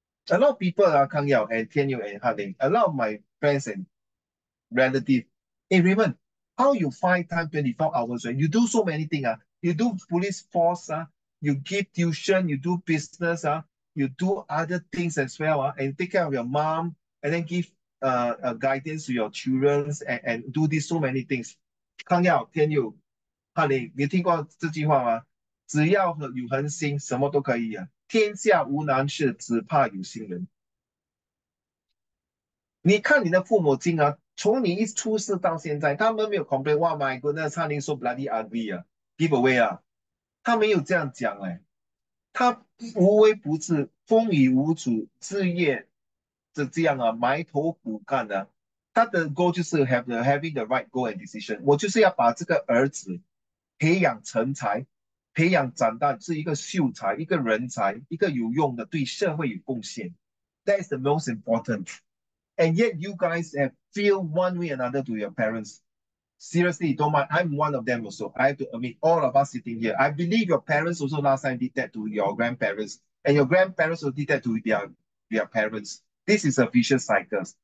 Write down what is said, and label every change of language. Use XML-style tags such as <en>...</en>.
<en>A lot of people are Kang Yao and Tianyu and Harding. A lot of my friends and relatives, hey Raymond, how you find time 24 hours when you do so many things? You do police force, you give tuition, you do business, you do other things as well, and take care of your mom, and then give guidance to your children, and do these so many things.</en> <zh>康耀天佑, 哈林,你听过这句话吗? 只要有恒心, 什么都可以, 天下无难事, 只怕有心人。你看你的父母亲, 从你一出世到现在, 他们没有</zh> <en>complain, oh my goodness,</en> <zh>哈林</zh> <en>so bloody ugly, give away,</en> <zh>他没有这样讲, 他无微不至, 风雨无阻, 日夜, 就这样啊, 埋头苦干啊, 他的goal就是</zh> <en>having the right goal and decision.</en> <zh>我就是要把这个儿子培养成才, 培养长大, 是一个秀才, 一个人才, 一个有用的对社会有贡献。</zh> <en>That is the most important. And yet you guys have feel one way or another to your parents. Seriously, don't mind. I'm one of them also. I have to admit, all of us sitting here. I believe your parents also last time did that to your grandparents. And your grandparents also did that to their parents. This is a vicious cycle.</en>